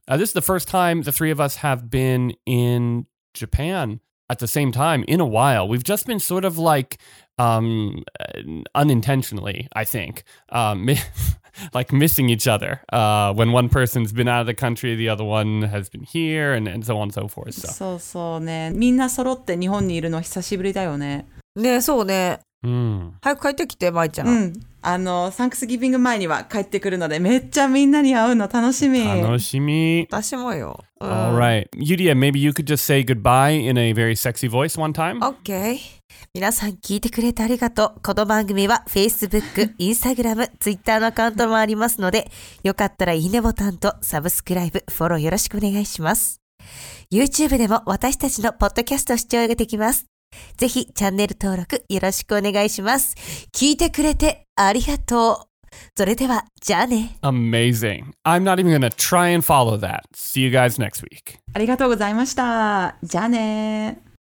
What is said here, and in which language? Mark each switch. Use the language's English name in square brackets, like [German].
[English] This is the first time the three of us have been in Japan at the same time in a while. We've just been sort of like unintentionally, I think. Like missing each other when one person's been out of the country, the other one has been here, and so on and so forth. So, [Japanese] そうそうね。みんな揃って日本にいるの久しぶりだよね。ね、そうね。早く帰ってきて、舞ちゃん。うん。あの、サンクスギビング前には帰ってくるので、めっちゃみんなに会うの楽しみ。楽しみ。私もよ。 [English] All right. Yurie, maybe you could just say goodbye in a very sexy voice one time. Okay. [Japanese] 皆さん聞いてくれてありがとう。この番組は Facebook、Instagram、Twitter のアカウントもありますので、よかったらいいねボタンとサブスクライブ、フォローよろしくお願いします。 YouTube でも私たちのポッドキャスト視聴ができます。ぜひチャンネル登録よろしくお願いします。聞いてくれてありがとう。それではじゃあね。 [English] Amazing. I'm not even gonna try and follow that. See you guys next week. [Japanese] ありがとうございました。じゃあね。